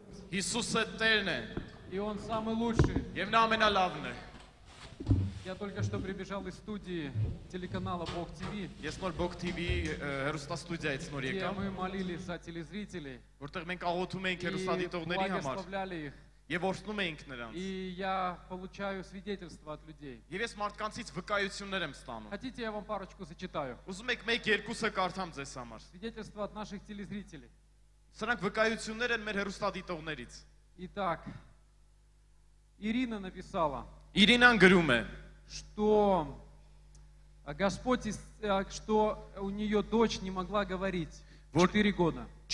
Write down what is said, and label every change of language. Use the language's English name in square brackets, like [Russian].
[Russian] Иисус цельный, и Он самый лучший. Евнамена лавны. Я только что прибежал из студии телеканала Бог ТВ. Где мы молились за телезрителей. [Armenian] Որտեղ մենք աղոթում էինք հերոստատիտողների համար. [Russian] Благословляли их. [Armenian] Եվ օրհնում էինք նրանց. [Russian] И я получаю свидетельства от людей. [Armenian] Եվ ես մարդկանցից վկայություններ եմ ստանում. [Russian] Хотите, я вам парочку зачитаю. [Armenian] Ուզում եք մեկ երկուսը կարդամ ձեզ համար. [Russian] Свидетельства от наших телезрителей. [Armenian] Սրանք վկայություններ են մեր հերոստատիտողներից. [Russian] Итак, Ирина написала. [Armenian] Ирина գրում է. [Russian] Что Господь, что у нее дочь не могла говорить 4 года.